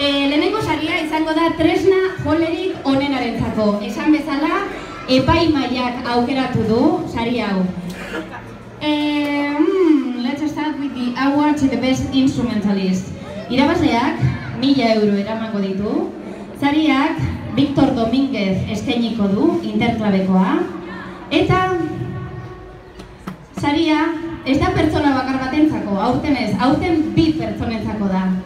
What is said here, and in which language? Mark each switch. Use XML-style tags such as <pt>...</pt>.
<eu>Lehenengo saria izango da tresna jolerik onenarentzako. Esan bezala, epaimahaiak aukeratu du sari hau.</eu> <en>Let's start with the awards to the best instrumentalist.</en> <eu>Irabazleak 1000 € eramango ditu. Sariak Victor Dominguez eskainiko du, interklabekoa. Eta saria ez da pertsona bakar batentzako, aurten ez, aurten bi pertsonentzako da.</eu>